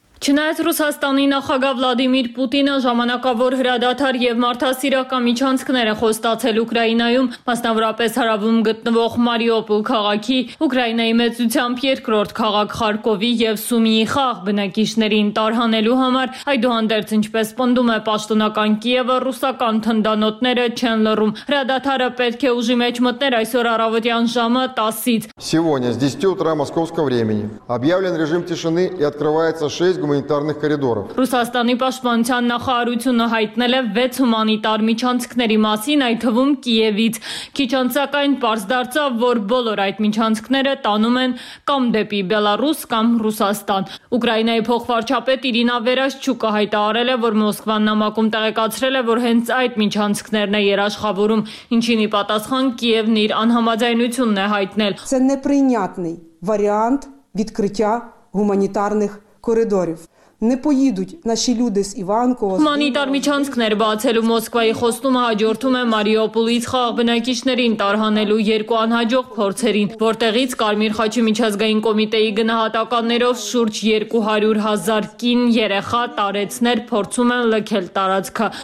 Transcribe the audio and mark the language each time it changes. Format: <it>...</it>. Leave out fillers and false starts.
<hy>Չնայած Ռուսաստանի նախագահ Վլադիմիր Պուտինը ժամանակավոր հրադադար և մարդասիրական միջանցքներ է խոստացել Ուկրաինայում, մասնավորապես հարավում գտնվող Մարիուպոլ քաղաքի, Ուկրաինայի մեծությամբ երկրորդ քաղաք Խարկովի և Սումիի խաղ բնակիչներին տարհանելու համար, այդուհանդերձ, ինչպես պնդում է պաշտոնական Կիևը, ռուսական թնդանոթները չեն լռում։ Հրադադարը պետք է ուժի մեջ մտներ այսօր առավոտյան ժամը 10-ից։</hy> <ru>Сегодня с 10 утра московского времени объявлен режим тишины и открывается 6 гуманитарных коридоров.</ru> <hy>Ռուսաստանի պաշտպանության նախարարությունը հայտնել է 6 հումանիտար միջանցքների մասին, այդ թվում Կիևից։ Քիչ անց այն պարզ դարձավ, որ բոլոր այդ միջանցքները տանում են կամ դեպի Բելարուս, կամ Ռուսաստան։ Ուկրաինայի փոխվարչապետ Իրինա Վերաշչուկը հայտարարել է, որ Մոսկվան նամակում տեղեկացրել է, որ հենց այդ միջանցքներն է երաշխավորում, ինչին ի պատասխան Կիևն իր անհամաձայնությունն է հայտնել։</hy> <uk>Це неприйнятний варіант відкриття гуманітарних коридорів. Не поїдуть наші люди з Іванкова.</uk> <hy>Гуманітар միջանցքներ բացելու Մոսկվայի խոստումը հաջորդում է Մարիուպոլից խաղաղ բնակիչներին տարհանելու երկու անհաջող փորձերին, որտեղից Կարմիր խաչի միջազգային կոմիտեի գնահատականներով շուրջ 200 000 կին, երեխա, տարեցներ փորձում են լքել տարածքը։</hy>